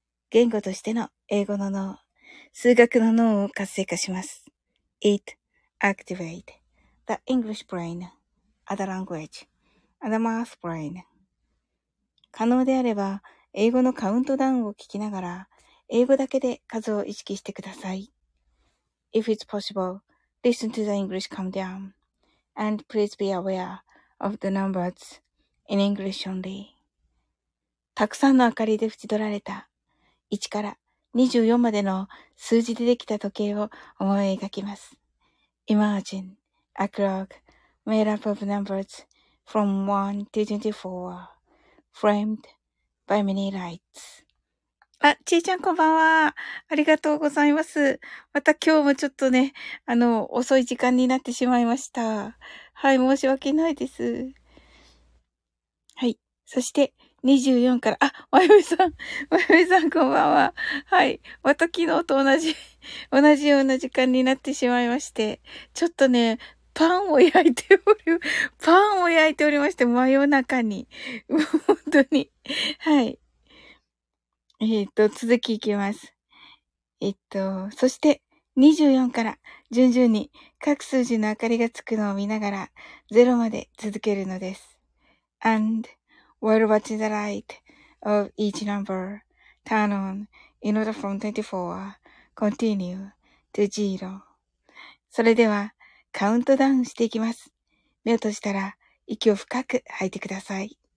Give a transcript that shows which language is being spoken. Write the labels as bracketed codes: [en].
[ja] 言語としての英語の脳、数学の脳を活性化します。 [en] It activate. The English brain, other language, other math brain. [ja] 可能であれば、英語のカウントダウンを聞きながら、英語だけで数を意識してください。 [en] If it's possible, listen to the English countdown. And please be aware of the numbers in English only. [ja] たくさんの明かりで縁取られた、1から24までの数字でできた時計を思い描きます。 [en] Imagine. A clock made up of numbers from 1 to 24, framed by many lights. [ja] あ、ちーちゃんこんばんは。ありがとうございます。また今日もちょっとね、遅い時間になってしまいました。はい、申し訳ないです。はい、そして24から、あ、まゆみさん、まゆみさんこんばんは。はい、また昨日と同じような時間になってしまいまして、ちょっとね、パンを焼いておりまして、真夜中に。本当に。はい。続きいきます。そして、24から順々に各数字の明かりがつくのを見ながら、0まで続けるのです。 [en] And, while watching the light of each number turn on in order from 24, continue to 0. [ja] それでは、カウントダウンしていきます。目を閉じたら息を深く吐いてください。